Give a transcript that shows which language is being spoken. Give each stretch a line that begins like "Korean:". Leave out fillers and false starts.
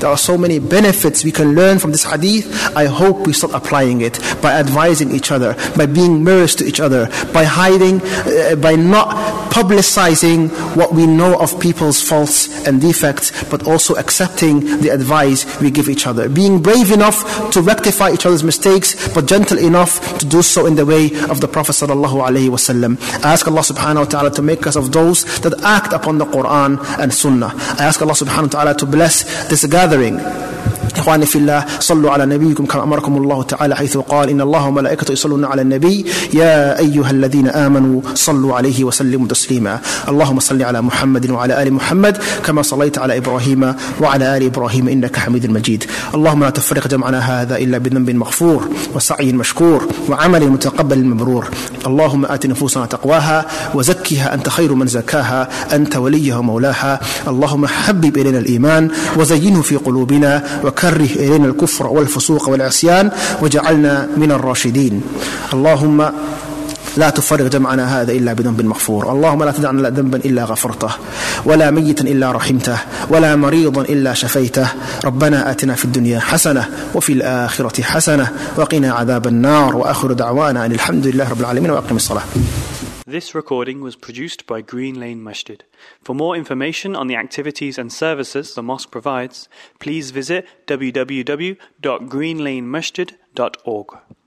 English: There are so many benefits we can learn from this hadith. I hope we start applying it by advising each other, by being mirrors to each other, by hiding, by not publicizing what we know of people's faults and defects, but also accepting the advice we give each other. Being brave enough to rectify each other's mistakes, but gentle enough to do so in the way of the Prophet sallallahu alaihi wasallam. I ask Allah subhanahu wa ta'ala to make us of those that act upon the Quran and Sunnah. I ask Allah subhanahu wa ta'ala to bless this gathering.
Arabic: إخواني في الله صلوا على نبيكم كما أمركم الله تعالى حيث قال إن الله وملائكته يصلون على النبي يا أيها الذين آمنوا صلوا عليه وسلموا تسليما اللهم صل على محمد وعلى آل محمد كما صليت على إبراهيم وعلى آل إبراهيم إنك حميد مجيد اللهم لا تفرق جمعنا هذا إلا بذنب مغفور وسعي مشكور وعمل متقبل مبرور اللهم آت نفوسنا تقواها وزكها أنت خير من زكاها أنت وليها مولاها اللهم حبب إلينا الإيمان وزينه في قلوبنا وكره إلينا الكفر والفسوق والعصيان وجعلنا من الراشدين اللهم لا تفرق جمعنا هذا إلا بذنب مغفور اللهم لا تدعنا ذنبا إلا غفرته ولا ميتا إلا رحمته ولا مريضا إلا شفيته ربنا آتنا في الدنيا حسنة وفي الآخرة حسنة وقنا عذاب النار وآخر دعوانا أن الحمد لله رب العالمين وأقم الصلاة.
English: This recording was produced by Green Lane Masjid. For more information on the activities and services the mosque provides, please visit www.greenlanemasjid.org.